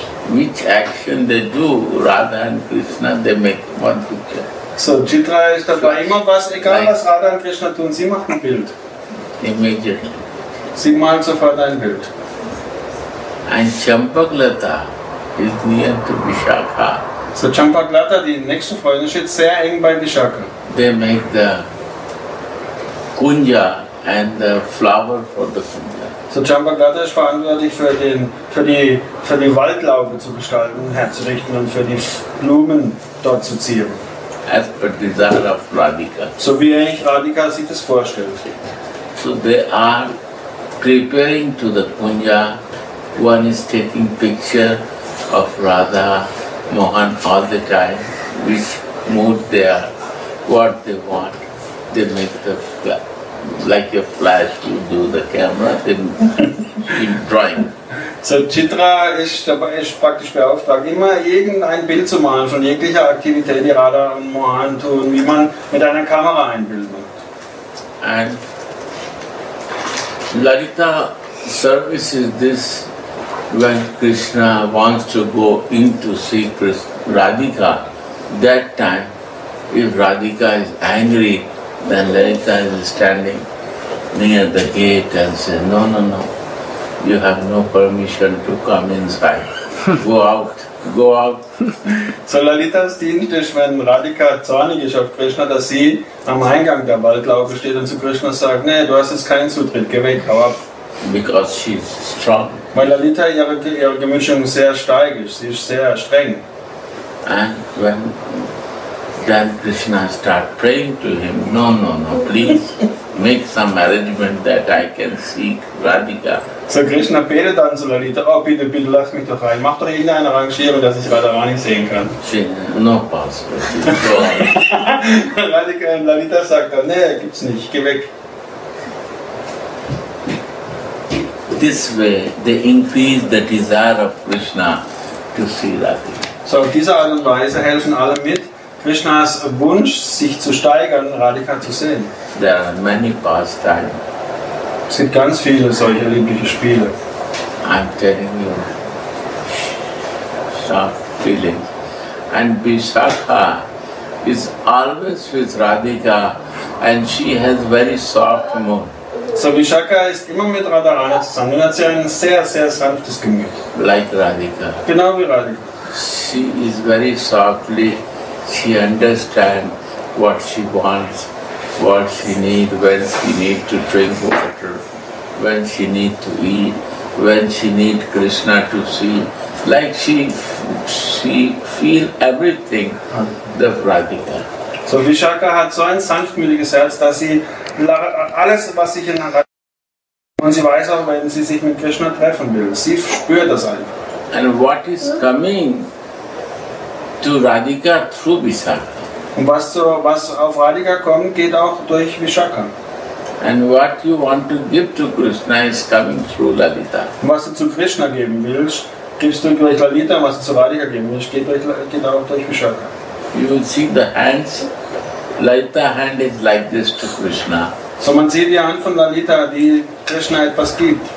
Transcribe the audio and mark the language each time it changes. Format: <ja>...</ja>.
<en>Which action they do, Radha and Krishna, they make one picture.</en> <de>So Chitra ist dabei immer was, egal like, was Radha und Krishna tun, sie macht ein Bild.</de> <en>Immediately.</en> <de>Sie malt sofort ein Bild.</de> <en>And Champaklata is near to Vishakha.</en> <de>So Champaklata, die nächste Freundin, steht sehr eng bei Vishakha.</de> <en>They make the kunja and the flower for the kunja.</en> <de>So Champaklata ist verantwortlich für die Waldlaube zu gestalten, herzurichten und für die Blumen dort zu zieren.</de> <en>as per desire of Radhika.</en> <de>So wie eigentlich Radhika sich das vorstellt.</de> <en>So they are preparing to the puja. One is taking picture of Radha, Mohan all the time. Which mood they are, what they want, they make the like a flash. You do the camera, then in drawing.</en> <de>So Chitra ist dabei, ist praktisch beauftragt, immer irgendein Bild zu malen von jeglicher Aktivität, die Radha und Mohan tun, wie man mit einer Kamera ein Bild macht.</de> <en>And Lalita services this when Krishna wants to go in to see Radhika. That time, if Radhika is angry, then Lalita is standing near the gate and says, no, no, no. You have no permission to come inside. Go out. Go out.</en> <de>So Lalita's dient ist, wenn Radhika zornig ist auf Krishna, dass sie am Eingang der Waldlaube steht und zu Krishna sagt, nee, du hast jetzt keinen Zutritt, geh weg, hau ab.</de> <en>Because she is strong.</en> <de>Weil Lalita ihre Gemischung sehr steig ist, sie ist sehr streng.</de> <en>And when then Krishna start praying to him, no, no, no, please make some arrangement that I can see Radhika.</en> <de>So Krishna betet dann zu Lalita, oh bitte, bitte lass mich doch rein, mach doch irgendeine Arrangierung, dass ich Radharani sehen kann.</de> <en>She, no possible. Go on.</en> <de>Radhika, Lalita sagt dann, nee, gibt's nicht, geh weg.</de> <en>This way they increase the desire of Krishna to see Radhika.</en> <de>So auf diese Art und Weise helfen alle mit, Krishnas Wunsch, sich zu steigern, Radhika zu sehen.</de> <en>There are many pastimes.</en> <de>Es gibt ganz viele solche olympische Spiele.</de> <en>I'm telling you, sharp feelings. And Vishakha is always with Radhika and she has very soft mood.</en> <de>So Vishakha ist immer mit Radharani zusammen und hat sie ein sehr, sehr sanftes Gemüt.</de> <en>Like Radhika.</en> <de>Genau wie Radhika.</de> <en>She is very softly, she understands what she wants, what she needs, when she needs to drink water, when she needs to eat, when she needs Krishna to see. Like she feels everything, the Radhika.</en> <de>So Vishakha hat so ein sanftmütiges Herz, dass sie alles, was sich in der Radhika, und sie weiß auch, wenn sie sich mit Krishna treffen will, sie spürt das einfach.</de> <en>And what is coming to Radhika through Vishakha.</en> <de>Und was auf Radhika kommt, geht auch durch Vishakha.</de> <en>And what you want to give to Krishna is coming through Lalita.</en> <de>Und was du zu Krishna geben willst, gibst du durch Lalita, was du zu Radhika geben willst, geht auch durch Vishakha.</de> <en>You will see the hands, Lalita hand is like this to Krishna.</en> <de>So man sieht die Hand von Lalita, die Krishna etwas gibt.</de>